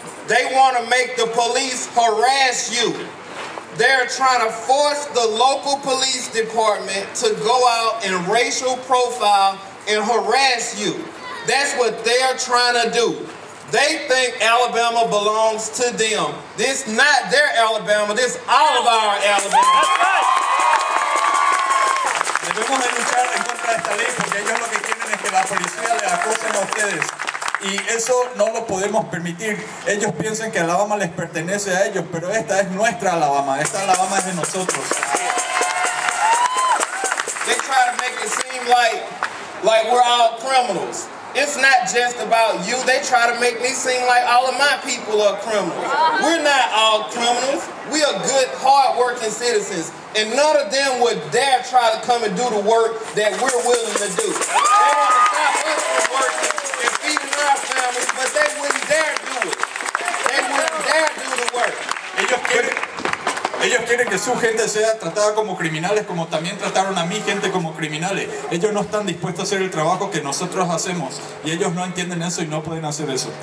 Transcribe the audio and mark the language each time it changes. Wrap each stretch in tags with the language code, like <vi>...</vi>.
<en>They want to make the police harass you. They're trying to force the local police department to go out and racial profile and harass you. That's what they're trying to do. They think Alabama belongs to them. This not their Alabama, this all of our Alabama. That's right.</en> <es>Debemos de luchar en contra de esta ley porque ellos lo que quieren es que la policía le acosen a ustedes. Y eso no lo podemos permitir. Ellos piensan que Alabama les pertenece a ellos, pero esta es nuestra Alabama. Esta Alabama es de nosotros.</es> <en>They try to make it seem like we're all criminals. It's not just about you. They try to make me seem like all of my people are criminals. We're not all criminals. We are good, hard-working citizens. And none of them would dare try to come and do the work that we're willing to do. They want to stop us from working and feeding our families, but they wouldn't dare do it. They wouldn't dare do the work.</en> <es>Ellos quieren, Ellos quieren que su gente sea tratada como criminales, como también trataron a mi gente como criminales. Ellos no están dispuestos a hacer el trabajo que nosotros hacemos, y ellos no entienden eso y no pueden hacer eso.</es>